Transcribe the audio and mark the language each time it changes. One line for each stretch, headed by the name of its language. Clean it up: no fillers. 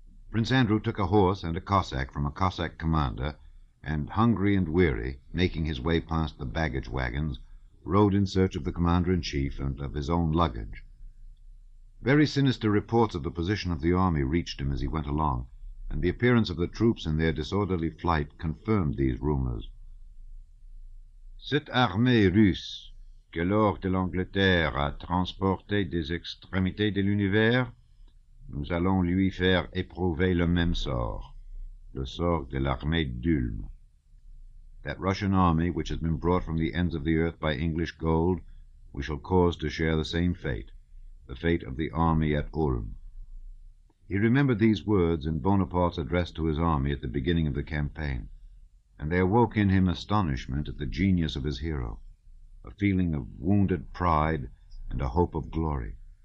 English: Prince Andrew took a horse and a Cossack from a Cossack commander, and hungry and weary, making his way past the baggage wagons, rode in search of the commander-in-chief and of his own luggage. Very sinister reports of the position of the army reached him as he went along, and the appearance of the troops in their disorderly flight confirmed these rumors.
French: Cette armée russe, que l'or de l'Angleterre a transporté des extrémités de l'univers, nous allons lui faire éprouver le même sort, le sort de l'armée d'Ulm.
English: That Russian army which has been brought from the ends of the earth by English gold, we shall cause to share the same fate, the fate of the army at Ulm. He remembered these words in Bonaparte's address to his army at the beginning of the campaign, and they awoke in him astonishment at the genius of his hero, a feeling of wounded pride and a hope of glory.